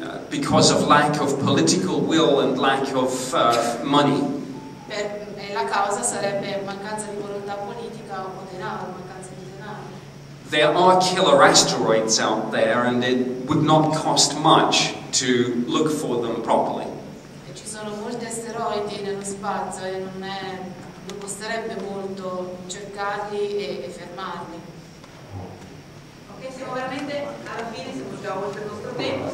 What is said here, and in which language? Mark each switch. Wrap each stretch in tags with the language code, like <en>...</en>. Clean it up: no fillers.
<en>Because of lack of political will and lack of money.</en> <it>La causa sarebbe mancanza di volontà politica o denaro, mancanza di denaro.</it> <en>There are killer asteroids out there and it would not cost much to look for them properly.</en> <it>E ci sono molti asteroidi nello spazio e non costerebbe molto cercarli e fermarli. Ok, siamo veramente alla fine, siamo già oltre il nostro tempo.</it>